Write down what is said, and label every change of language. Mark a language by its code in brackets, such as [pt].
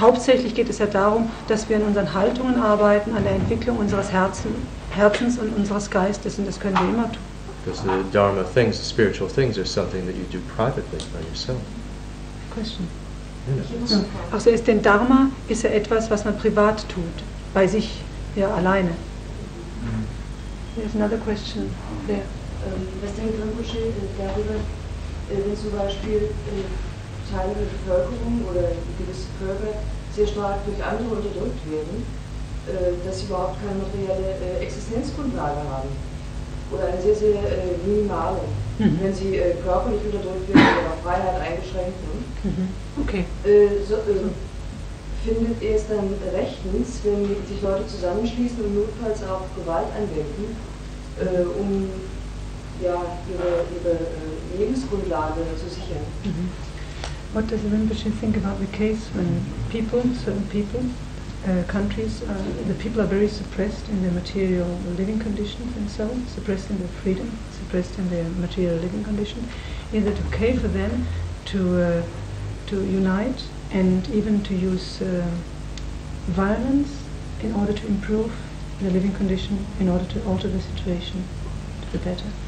[de] hauptsächlich geht es ja darum, dass wir an unseren Haltungen arbeiten, an der Entwicklung unseres Herzens und unseres Geistes, und das können wir immer tun. [en] Because the Dharma things, the spiritual things are something that you do privately by yourself. Question. [de] Also ist denn Dharma, ist ja etwas, was man privat tut, bei sich, ja, alleine. [en] There's another question there. [de] Was denkt Rinpoche darüber, wenn zum Beispiel Teile der Bevölkerung oder gewisse Völker sehr stark durch andere unterdrückt werden, dass sie überhaupt keine materielle Existenzgrundlage haben oder eine sehr, sehr minimale, wenn sie körperlich unterdrückt werden oder Freiheit eingeschränkt werden? Okay. Findet er es dann rechtens, wenn sich Leute zusammenschließen und notfalls auch Gewalt anwenden, um ja, ihre Lebensgrundlage zu sichern? Mm-hmm. [en] What does Rinpoche think about the case when certain people, countries, the people are very suppressed in their material living conditions and so, suppressed in their freedom, suppressed in their material living condition? Is it okay for them to unite and even to use violence in order to improve the living condition, in order to alter the situation to the better?